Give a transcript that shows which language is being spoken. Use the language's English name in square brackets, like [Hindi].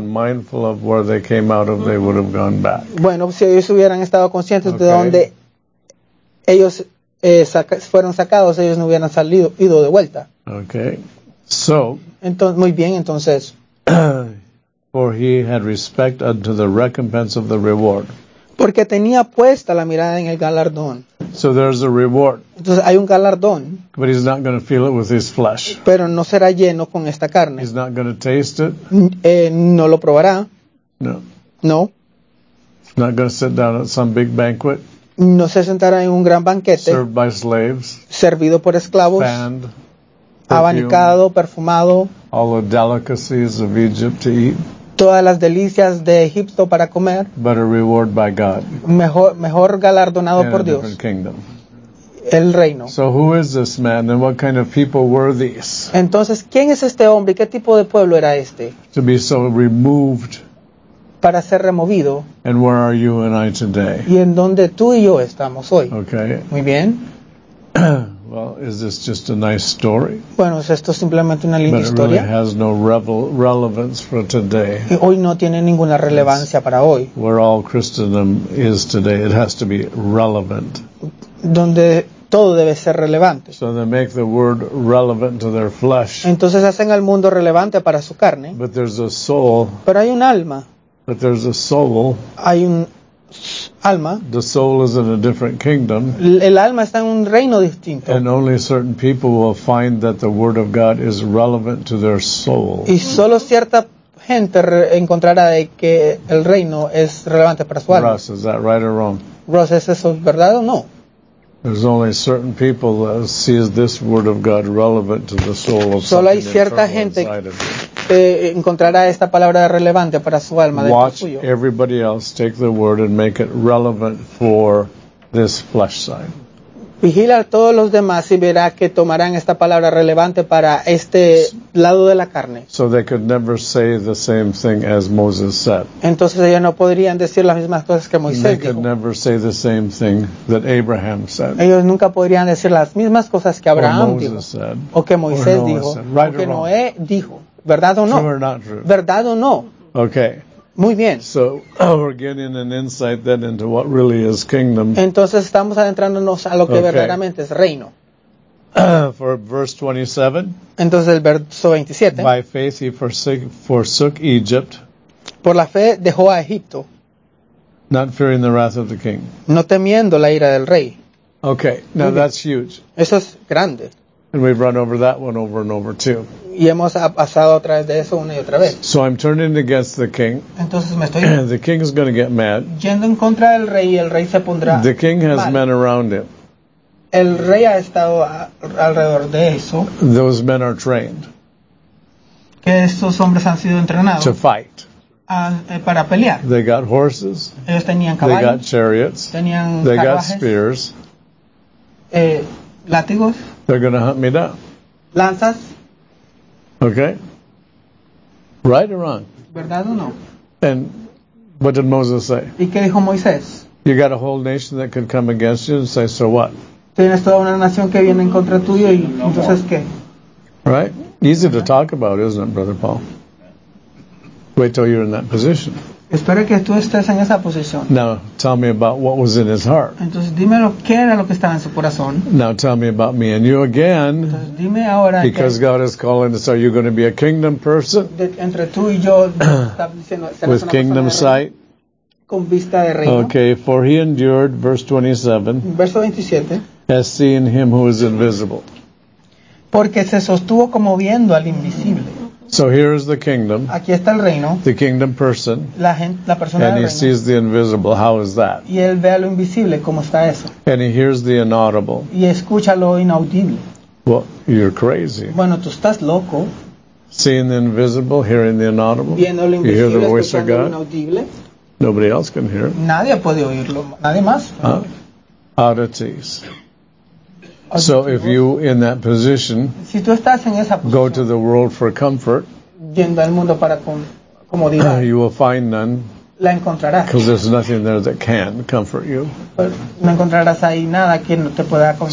[Spanish] Bueno, si ellos hubieran estado conscientes de dónde ellos fueron sacados, ellos no hubieran salido, ido de vuelta. [English] Okay. So, [Spanish] entonces, muy bien, entonces. [English] For he had respect unto the recompense of the reward. [Spanish] Porque tenía puesta la mirada en el galardón. [English] So there's a reward. [Spanish] Entonces hay un galardón. [English] But he's not going to feel it with his flesh. [Spanish] Pero no será lleno con esta carne. [English] He's not going to taste it. [Spanish] No lo probará. No. No. [English] He's not going to sit down at some big banquet. [Spanish] No se sentará en un gran banquete. [English] Served by slaves, [Spanish] servido por esclavos. [English] Fanned, [Spanish] abanicado, perfumado. [English] All the delicacies of Egypt to eat, [Spanish] todas las delicias de Egipto para comer. [English] But a reward by God, [Spanish] mejor galardonado por Dios. [English] Kingdom. [Spanish] El reino. [English] So who is this man and what kind of people were these? [Spanish] Entonces, ¿quién es este hombre y qué tipo de pueblo era este? [English] To be so removed. [Spanish] Para ser removido. [English] And where are you and I today? [Spanish] Y en donde tú y yo estamos hoy. [English] Okay. [Spanish] Muy bien. [English] Well, is this just a nice story? [Spanish] Bueno, ¿es esto simplemente una linda historia? [English] But it really has no relevance for today. [Spanish] Y hoy no tiene ninguna relevancia para hoy. [English] Where all Christendom is today, it has to be relevant. [Spanish] Donde todo debe ser relevante. [English] So they make the word relevant to their flesh. [Spanish] Entonces hacen al mundo relevante para su carne. [English] But there's a soul. [Spanish] Pero hay un alma. [English] But there's a soul. [Spanish] Hay un alma. [English] The soul is in a different kingdom. [Spanish] El alma está en un reino distinto. [English] And only certain people will find that the word of God is relevant to their soul. [Spanish] Y solo cierta gente encontrará de que el reino es relevante para su alma. [English] Russ, is that right or wrong? [Spanish] Russ, ¿es eso verdad o no? [English] There's only certain people that sees this word of God relevant to the soul of someone. [Spanish] Solo hay cierta gente que encontrará esta palabra relevante para su alma. [English] Watch everybody else take the word and make it relevant for this flesh side. [Spanish] Vigila a todos los demás y verá que tomarán esta palabra relevante para este lado de la carne. [English] So they could never say the same thing as Moses said. [Spanish] Entonces ellos no podrían decir las mismas cosas que Moisés dijo. [English] They could never say the same thing that Abraham said. [Spanish] Ellos nunca podrían decir las mismas cosas que Abraham dijo. [English] Said, [Spanish] o que Moisés dijo. [English] Right [Spanish] o que Noé dijo. ¿Verdad o no? [English] True or not true. [Spanish] ¿Verdad o no? [English] Okay. [Spanish] Muy bien. [English] So we're getting an insight then into what really is kingdom. [Spanish] Entonces estamos adentrándonos a lo que verdaderamente es reino. [English] For verse 27. [Spanish] Entonces el verso 27. [English] By faith he forsook Egypt. [Spanish] Por la fe dejó a Egipto. [English] Not fearing the wrath of the king. [Spanish] No temiendo la ira del rey. [English] Okay, now that's huge. [Spanish] Eso es grande. [English] And we've run over that one over and over too. [Spanish] Y hemos pasado otra vez de eso una y otra vez. [English] So I'm turning against the king. [Spanish] Entonces me estoy [English] the king is going to get mad. [Spanish] Yendo en contra del rey, el rey se pondrá [English] the king has [Spanish] mal. [English] Men around him. [Spanish] El rey ha estado alrededor de eso. [English] Those men are trained. [Spanish] Que estos hombres han sido entrenados. [English] To fight. [Spanish] Para pelear. [English] They got horses. [Spanish] Ellos tenían caballos. [English] They got chariots. [Spanish] Tenían [English] they [Spanish] carruajes. [English] Got spears. [Spanish] Látigos. [English] They're going to hunt me down. [Spanish] Lanzas. [English] Okay. Right or wrong? [Spanish] ¿Verdad o no? [English] And what did Moses say? [Spanish] ¿Y qué dijo Moisés? [English] You got a whole nation that could come against you and say, so what? [Spanish] Tienes toda una nación que viene en contra tuyo y entonces qué? [English] Right? Easy to talk about, isn't it, Brother Paul? Wait till you're in that position. [Spanish] Espero que tú estés en esa posición. [English] Now, tell me about what was in his heart. [Spanish] Entonces, dímelo, ¿qué era lo que estaba en su corazón? [English] Now, tell me about me and you again. [Spanish] Entonces, dime ahora [English] because [Spanish] que [English] God is calling us, are you going to be a kingdom person? [Spanish] Entre tú y yo, diciendo, [English] with kingdom sight. [Spanish] Con vista de reino. [English] Okay, for he endured, verse 27. [Spanish] Verso 27. [English] As seeing him who is invisible. [Spanish] Porque se sostuvo como viendo al invisible. [English] So here is the kingdom. [Spanish] Aquí está el reino. [English] The kingdom person. [Spanish] La gente, la persona [English] and he [Spanish] reino. [English] Sees the invisible. How is that? [Spanish] Y él ve a lo invisible. ¿Cómo está eso? [English] And he hears the inaudible. [Spanish] Y escucha lo inaudible. [English] Well, you're crazy. [Spanish] Bueno, tú estás loco. [English] Seeing the invisible, hearing the inaudible. [Spanish] Viendo lo invisible, [English] you hear the voice [Spanish] escuchando [English] of God. [Spanish] Lo inaudible. [English] Nobody else can hear it. [Spanish] Nadie puede oírlo. Nadie más. [English] Oddities. So if you in that position [Spanish] si tú estás en esa posición, [English] go to the world for comfort [Spanish] yendo al mundo para comodidad, [English] you will find none [Spanish] la encontrarás. [English] Because there's nothing there that can comfort you. [Spanish] No encontrarás ahí nada que no te pueda [English] comfort.